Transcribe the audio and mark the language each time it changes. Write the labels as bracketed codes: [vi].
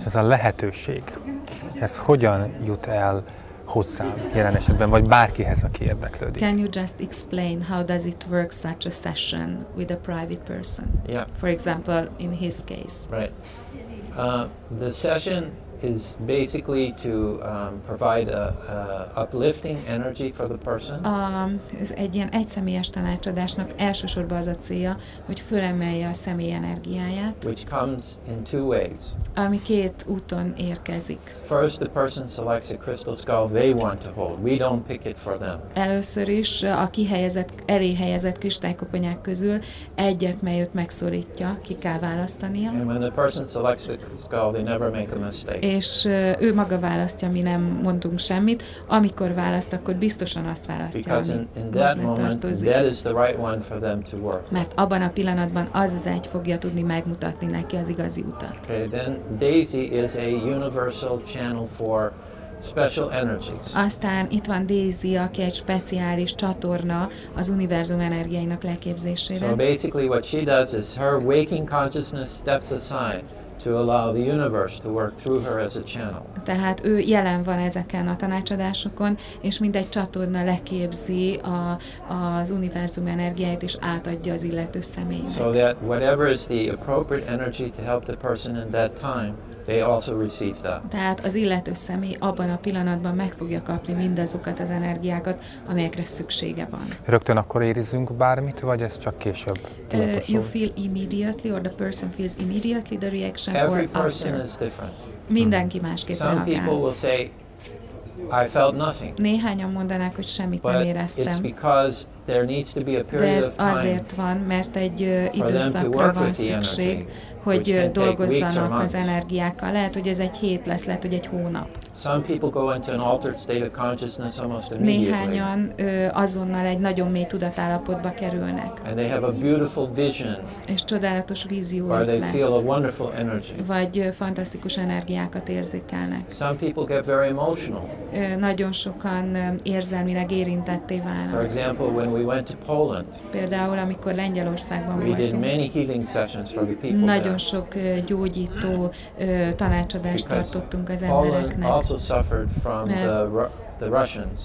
[hu] Ez a lehetőség, ez hogyan jut el hozzám jelen esetben, vagy bárkihez, aki érdeklődik? [en] Can you just explain how does it work such a session with a private person? Yeah. For example, in his case. Right. The session is basically to provide a uplifting energy for the person. [hu] Ez egy ilyen egyszemélyes tanácsadásnak elsősorban az a célja, hogy fölemelje a személy energiáját. [en] Which comes in two ways. [hu] Ami két úton érkezik. [en] First, the person selects a crystal skull they want to hold. We don't pick it for them. [hu] Először is a elé helyezett kristálykoponyák közül egyet, mely őt megszorítja, ki kell választania. [en] And when the person selects the skull, they never make a mistake. [hu] És ő maga választja, mi nem mondunk semmit. Amikor választ, akkor biztosan azt választja, [en] because [hu] ami [en] in that moment, that is the right one for them to work. [hu] Mert abban a pillanatban az az egy fogja tudni megmutatni neki az igazi utat. [en] Okay, then Daisy is a universal channel for special energies. [hu] Aztán itt van Daisy, aki egy speciális csatorna az univerzum energiáinak leképzésére. [en] So basically what she does is her waking consciousness steps aside to allow the universe to work through her as a channel. [hu] Tehát ő jelen van ezeken a tanácsadásokon, és mindegy csatorna leképzi az univerzum energiáját, és átadja az illető személynek. [en] So that whatever is the appropriate energy to help the person in that time, they also receive that. [hu] Tehát az illető személy abban a pillanatban meg fogja kapni mindazokat az energiákat, amelyekre szüksége van. Rögtön akkor érzünk bármit, vagy ez csak később? [en] You feel immediately, or the person feels immediately the reaction. Every or person after. Is different. [hu] Mindenki másképp reagál. [en] Some people will say, I felt nothing. [hu] Néhányan mondanák, hogy semmit [en] but [hu] nem éreztem. [en] It's because there needs to be a period of time. [hu] De ez azért van, mert egy időszakra van szükség, hogy dolgozzanak az energiákkal. Lehet, hogy ez egy hét lesz, lehet, hogy egy hónap. [en] Some people go into an altered state of consciousness almost immediately. [hu] Néhányan azonnal egy nagyon mély tudatállapotba kerülnek. [en] And they have a beautiful vision. [hu] És csodálatos vízió lesz. [en] Or they feel a wonderful energy. [hu] Vagy fantasztikus energiákat érzékelnek. [en] Some people get very emotional. [hu] Nagyon sokan érzelmileg érintetté válnak. [en] For example, when we went to Poland. [hu] Például, amikor Lengyelországban voltunk. [en] We did many healing sessions for the people. [hu] Nagyon sok gyógyító tanácsadást tartottunk az embereknek. [en] Also suffered from the Russians.